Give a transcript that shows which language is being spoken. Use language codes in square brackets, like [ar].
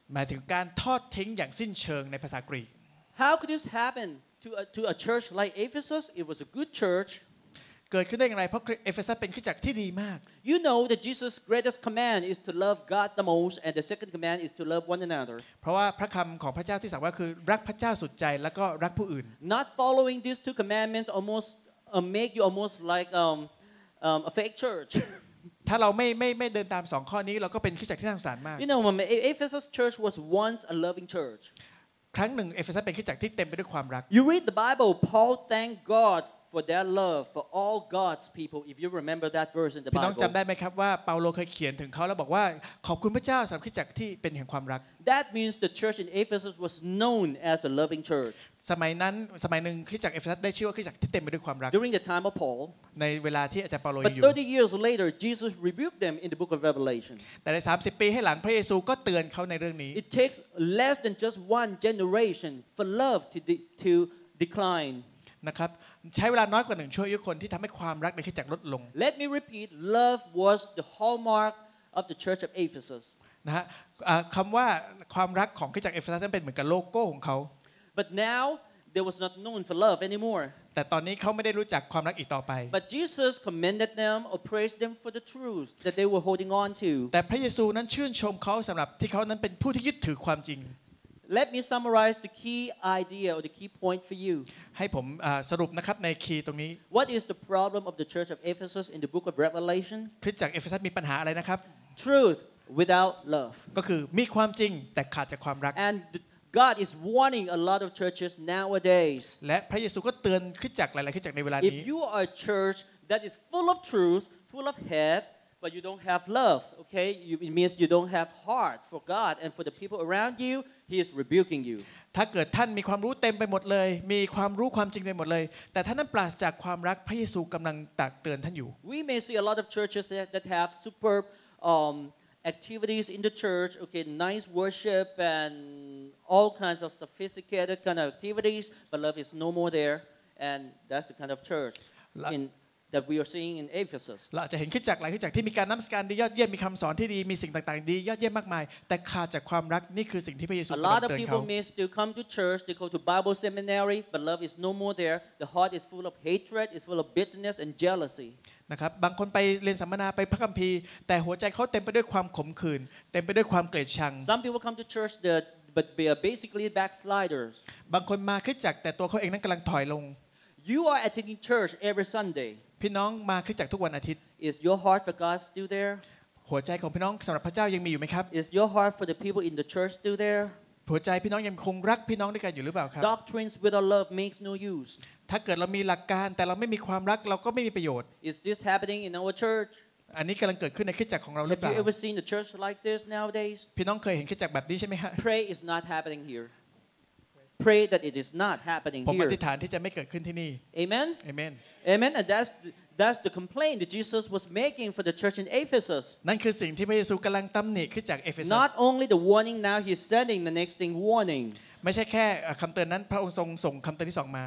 [th] หมายถึงการทอดทิ้งอย่างสิ้นเชิงในภาษากรีก [en] How could this happen to a church like Ephesus it was a good church [th] เกิดขึ้นได้อย่างไรเพราะเอเฟซัสเป็นคริสตจักรที่ดีมาก [en] You know that Jesus greatest command is to love God the most and the second command is to love one another [th] เพราะว่าพระคําของพระเจ้าที่สั่งว่าคือรักพระเจ้าสุดใจแล้วก็รักผู้อื่น [en] Not following these two commandments almost make you almost likea fake church [th] ถ้าเราไม่เดินตาม2ข้อนี้เราก็เป็นคริสตจักรที่น่าสงสารมาก [en] You know when Ephesus church was once a loving church [th] ครั้งหนึ่งเอเฟซัสเป็นคริสตจักรที่เต็มไปด้วยความรัก [en] You read the Bible Paul thank God for their love for all God's people if you remember that verse in the Bible [th] พี่น้องจําได้มั้ยครับว่าเปาโลเคยเขียนถึงเขาแล้วบอกว่าขอบคุณพระเจ้าสําหรับคริสตจักรที่เป็นแห่งความรัก [en] That means the church in Ephesus was known as a loving church [th] สมัยนั้นสมัยนึงคริสตจักรเอเฟซัสได้ชื่อว่าคริสตจักรที่เต็มไปด้วยความรัก [en] During the time of Paul [th] ในเวลาที่อาจารย์เปาโลอยู่ [en] But 30 years later Jesus rebuked them in the book of Revelation [th] แต่ใน30ปีให้หลังพระเยซูก็เตือนเขาในเรื่องนี้ [en] It takes less than just one generation for love to declinen [th] ะครับใช้เวลาน้อยกว่า1ชั่วอายุคนที่ทําให้ความรักในคริสตจักรลดลง [en] Let me repeat love was the hallmark of the church of Ephesus [th] นะฮะคําว่าความรักของคริสตจักรเอเฟซัสนั้นเป็นเหมือนกับโลโก้ของเขา [en] But now they was not known for love anymore. [th] แต่ตอนนี้เขาไม่ได้รู้จักความรักอีกต่อไป [en] But Jesus commended them or praised them for the truth that they were holding on to. [th] แต่พระเยซูนั้นชื่นชมเขาสำหรับที่เขานั้นเป็นผู้ที่ยึดถือความจริง [en] Let me summarize the key idea or the key point for you. [th] ให้ผมสรุปนะครับในคีย์ตรงนี้ [en] What is the problem of the church of Ephesus in the book of Revelation? [th] คริสตจักรเอเฟซัสมีปัญหาอะไรนะครับ [en] Truth without love. [th] ก็คือมีความจริงแต่ขาดจากความรัก [en] God is warning a lot of churches nowadays. [th] และพระเยซูก็เตือนคริสตจักรหลายๆคริสตจักรในเวลานี้ [en] If you are a church that is full of truth, full of head, but you don't have love, okay? It means you don't have heart for God and for the people around you. He is rebuking you. [th] ถ้าเกิดท่านมีความรู้เต็มไปหมดเลยมีความรู้ความจริงไปหมดเลยแต่ท่านนั้นปราศจากความรักพระเยซูกำลังตักเตือนท่านอยู่ [en] We may see a lot of churches that have superb activities in the church. Okay, nice worship and all kinds of sophisticated kind of activities, but love is no more there, and that's the kind of church that we are seeing in Ephesus. [th] เราจะเห็นขึ้นจากหลายขึ้นจากที่มีการนมัสการดียอดเยี่ยมมีคำสอนที่ดีมีสิ่งต่างๆดียอดเยี่ยมมากมายแต่ขาดจากความรักนี่คือสิ่งที่พระเยซูกำลังเตือนเขา [en] A lot of people miss to come to church. They go to Bible seminary, but love is no more there. The heart is full of hatred. It's full of bitterness and jealousy. [th] นะครับบางคนไปเรียนสัมมนาไปพระคัมภีร์แต่หัวใจเขาเต็มไปด้วยความขมขื่นเต็มไปด้วยความเกลียดชัง [en] Some people come to church but they are basically backsliders [th] บางคนมาคริสตจักรแต่ตัวเขาเองนั้นกำลังถอยลง [en] You are attending church every Sunday [th] พี่น้องมาคริสตจักรทุกวันอาทิตย์ [en] Is your heart for God still there [th] หัวใจของพี่น้องสำหรับพระเจ้ายังมีอยู่ไหมครับ [en] Is your heart for the people in the church still there [th] หัวใจพี่น้องยังคงรักพี่น้องด้วยกันอยู่หรือเปล่าครับ [en] Doctrines without love makes no use [th] ถ้าเกิดเรามีหลักการแต่เราไม่มีความรักเราก็ไม่มีประโยชน์ [en] Is this happening in our church? [th] อันนี้กำลังเกิดขึ้นในคริสตจักรของเราหรือเปล่า [en] Have you ever seen a church like this nowadays? [th] พี่น้องเคยเห็นคริสตจักรแบบนี้ใช่ไหมฮะ [en] Pray is not happening here. Pray that it is not happening here. [th] ผมอธิษฐานที่จะไม่เกิดขึ้นที่นี่ [en] Amen. Amen. Amen. And that's the complaint that Jesus was making for the church in Ephesus. [th] นั่นคือสิ่งที่พระเยซูกำลังตำหนิคริสตจักรเอเฟซัส [en] Not only the warning now, he's sending the next thing warning. [th] ไม่ใช่แค่คำเตือนนั้นพระองค์ทรงส่งคำเตือนที่สองมา